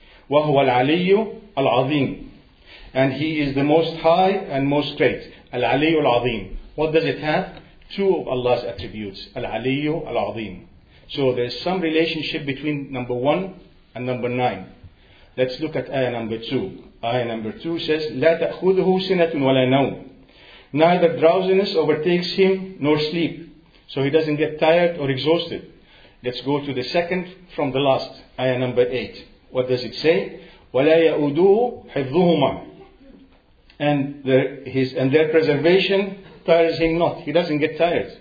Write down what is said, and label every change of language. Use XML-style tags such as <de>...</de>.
<ar>وَهُوَ الْعَلِيُّ الْعَظِيمُ.</ar> <en>And He is the most high and most great. Al-Aliyyu al-Azim. What does it have? Two of Allah's attributes. Al-Aliyyu al-Azim. So there's some relationship between number one and number nine. Let's look at ayah number two. Ayah number two says,</en> <ar>لَا تَأْخُذُهُ سِنَةٌ وَلَا نَوْمٌ.</ar> <en>Neither drowsiness overtakes him nor sleep. So he doesn't get tired or exhausted. Let's go to the second from the last. Ayah number eight. What does it say?</en> <ar>وَلَا يَعُدُوهُ حِفْظُهُمَا.</ar> <en>And their preservation tires him not. He doesn't get tired.</en>